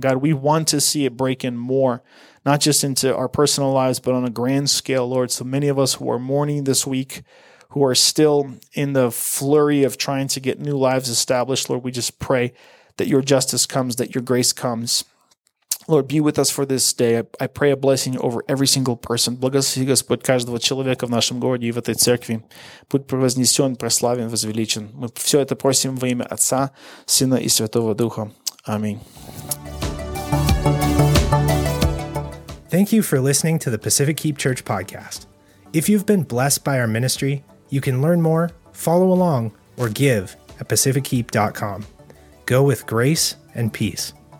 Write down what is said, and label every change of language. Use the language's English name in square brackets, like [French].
[English] God, we want to see it break in more, not just into our personal lives, but on a grand scale, Lord. So many of us who are mourning this week, who are still in the flurry of trying to get new lives established, Lord, we just pray that your justice comes, that your grace comes. Lord, be with us for this day. I pray a blessing over every single person. [Russian] Благослови Господь каждого человека в нашем городе и в этой церкви. Будь превознесен, прославен, возвеличен. Мы все это просим во имя Отца, Сына и Святого Духа. [English] Thank you for listening to the Pacific Keep Church podcast. If you've been blessed by our ministry, you can learn more, follow along, or give at pacifickeep.com. Go with grace and peace.